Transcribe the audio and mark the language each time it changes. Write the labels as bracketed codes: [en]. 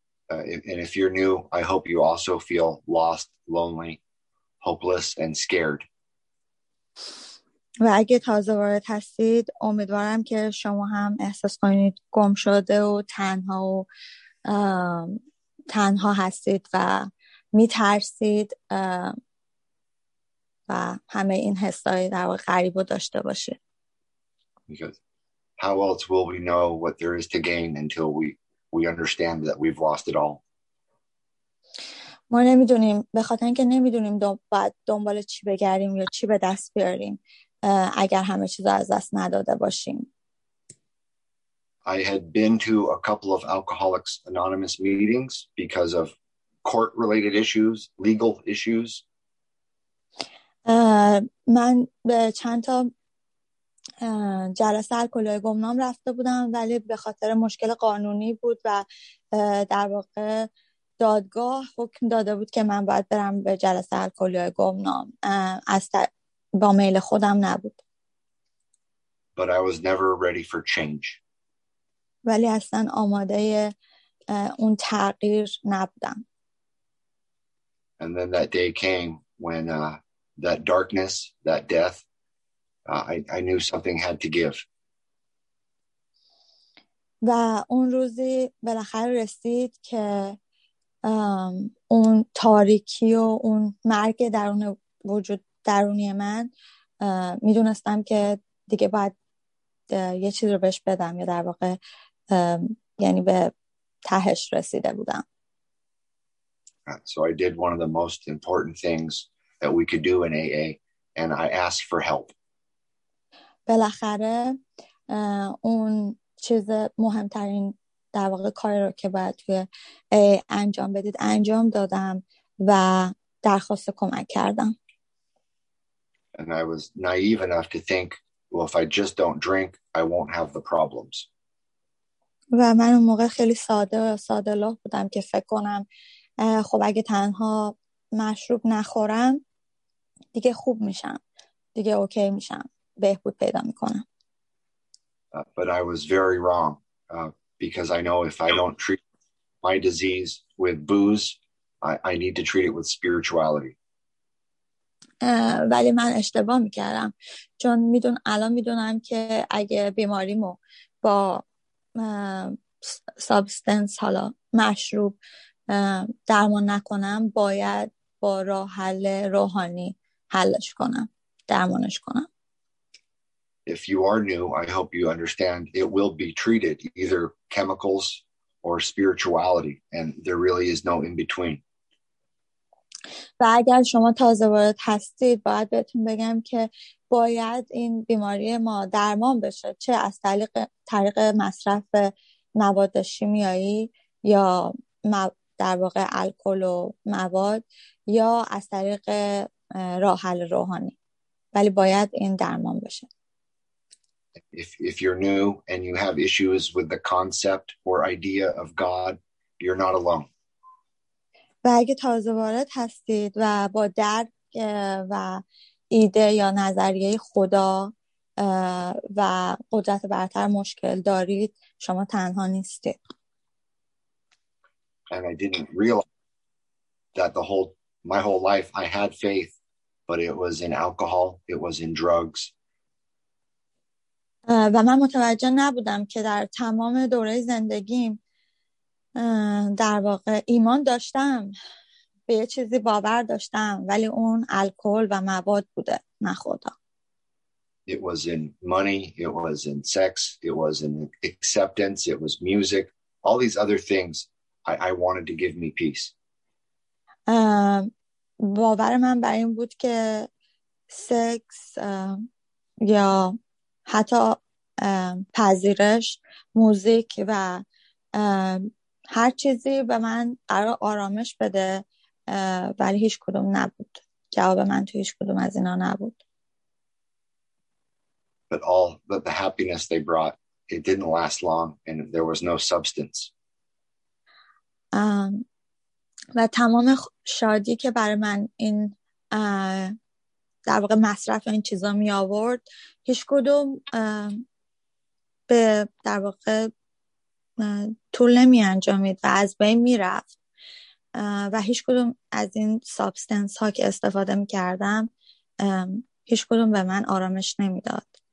[en] And if you're new, I hope you also feel lost, lonely, hopeless, and scared. [fa] و اگه تازه وارد هستید، امیدوارم که شما هم احساس کنید گم شده و تنها و تنها هستید و میترسید و همه این حسای در واقع غریب رو داشته باشید. [en] Because how else will we know what there is to gain until we understand that we've lost it all. [fa] ما نمیدونیم، به خاطر اینکه نمیدونیم بعد دنبال چی بگردیم یا چی به دست بیاریم اگر همه چیز از دست نداده باشیم. [en] I had been to a couple of Alcoholics Anonymous meetings because of court related issues, legal issues. [fa] من به چند تا جلسه الکلی گمنام رفته بودم، ولی به خاطر مشکل قانونی بود و در واقع دادگاه حکم داده بود که من باید برم به جلسه الکلی گمنام. با میل خودم نبود. [en] But I was never ready for change. [fa] ولی اصلا آماده اون تغییر نبودم. [en] And then that day came when that darkness, that death, I knew something had to give. [fa] و اون روزی بالاخره رسید که اون تاریکی و اون مرگ درون وجود درونی من، میدونستم که دیگه باید یه چیز رو بهش بدم، یا در واقع یعنی به تهش رسیده بودم. [en] So I did one of the most important things that we could do in AA, and I asked for help. [fa] بالاخره اون چیز مهمترین در واقع کار رو که باید توی انجام بدید انجام دادم و درخواست کمک کردم. [en] And I was naive enough to think, well, if I just don't drink, I won't have the problems. [fa] و من اون موقع خیلی ساده لوح بودم که فکر کنم خب اگه تنها مشروب نخورم دیگه خوب میشم، دیگه اوکی میشم، بهبود پیدا میکنم. [en] But I was very wrong, because I know if I don't treat my disease with booze, I need to treat it with spirituality. [fa] ولی من اشتباه میکردم، چون الان میدونم که اگه بیماریمو با سابستنس، حالا مشروب، درمان نکنم، باید با راه حل روحانی حلش کنم، درمانش کنم. [en] If you are new, I hope you understand it will be treated either chemicals or spirituality, and there really is no in between. [fa] و اگر شما تازه وارد هستید باید بهتون بگم که باید این بیماری ما درمان بشه چه از طریق مصرف مواد شیمیایی یا در واقع الکل و مواد یا از طریق راه حل روحانی ولی باید این درمان بشه. [en] If you're new and you have issues with the concept or idea of God, you're not alone. [fa] و اگه تازه وارد هستید و با درک و ایده یا نظریه خدا و قدرت برتر مشکل دارید شما تنها نیستید. [en] And I didn't realize that my whole life I had faith, but it was in alcohol, it was in drugs. [fa] و من متوجه نبودم که در تمام دوره زندگیم در واقع ایمان داشتم به یه چیزی باور داشتم ولی اون الکل و مواد بوده نه خدا. [en] It was in money, it was in sex, it was in acceptance, it was music, all these other things I wanted to give me peace. [fa] باور من بر این بود که سکس یا حتی پذیرش موزیک و هر چیزی به من قرار آرامش بده ولی هیچ کدوم نبود جواب من تو هیچ کدوم از اینا نبود. [en] But all but the happiness they brought, it didn't last long and there was no substance. [fa] و تمام شادی که برای من این در واقع مصرف این چیزا می آورد هیچ کدوم به در واقع طول نمی انجامید و از بین می رفت و هیچ کدوم از این سابستنس ها که استفاده می کردم هیچ کدوم به من آرامش نمی داد.